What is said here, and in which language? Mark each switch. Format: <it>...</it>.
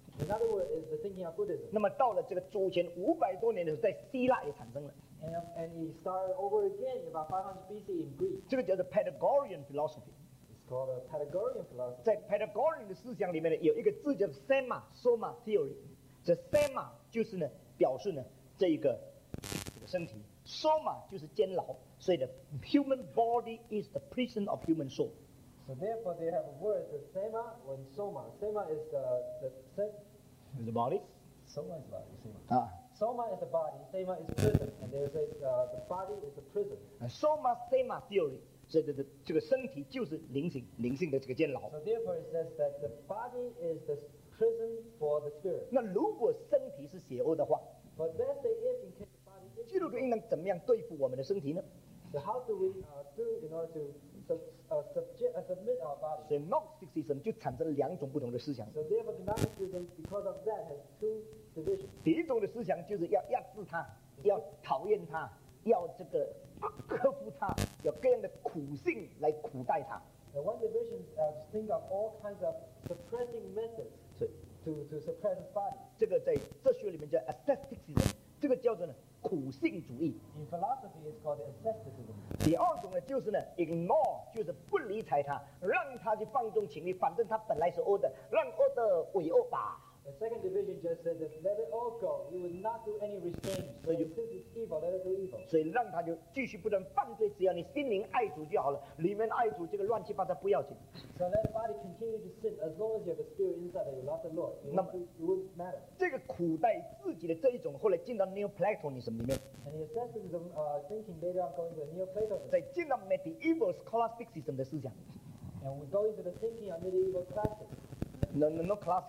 <en>In other words, is the thinking of Buddhism.</en> <zh>那么到了这个主前500多年的时候，在希腊也产生了。</zh> <en>And he started over again about 500 BC in Greek.</en> <zh>这个叫做 Pythagorean philosophy.</zh> <en>It's called a Pythagorean philosophy.</en> <zh>在 Pythagorean 的思想里面呢，有一个字叫 Sema, Soma theory. 这 Sema 就是呢表示呢这个身体 ，Soma 就是监牢，所以呢</zh> <en>human body is the prison of human soul. So therefore, they have a word, the Sema and Soma. Sema is the body. Soma is body. Sema. Soma is the body, Sema is prison, and there's the body is a prison.</en> <zh>Soma Sema theory, 这个身体就是灵性的这个监牢。</zh> <en>So therefore it says that the body is the prison for the spirit.</en> <zh>那如果身体是邪恶的话，</zh> <en>But let's say if in case the body is</en> <zh>基督徒应当怎么样对付我们的身体呢？</zh> <en>So how do we do in order to submit our body? So</en> <zh>Gnosticism 就产生了两种不同的思想。</zh> <en>So therefore Gnosticism because of that has two</en> <zh>第一种的思想就是要压制他，要讨厌他，要这个克服他，要各样的苦性来苦待他。</zh> <en>The one division think of all kinds of suppressing methods to suppress his body.</en> <zh>这个在哲学里面叫 aestheticism， 这个叫做呢苦性主义。</zh> <en>In philosophy, it's called</en> <zh>第二种呢，就是呢 ，ignore， 就是不理睬他，让他去放纵情欲，反正他本来是恶的，让恶的为恶吧。</zh> <en>The second division just said that let it all go. You will not do any restraint. So you since it's evil, let it do evil.</en> <zh>所以让他就继续不断犯罪，只要你心灵爱主就好了。里面爱主这个乱七八糟不要紧。</zh> <en>So let the body continue to sin as long as you have a spirit inside that you love the Lord. It won't matter.</en> <zh>这个苦待自己的这一种，后来进到 Neoplatonism 里面。</zh> <en>And the asceticism thinking later on going to Neoplatonism.</en> <zh>在进到 medieval scholasticism 的思想。</zh> <en>And we go into the thinking of medieval classics.</en>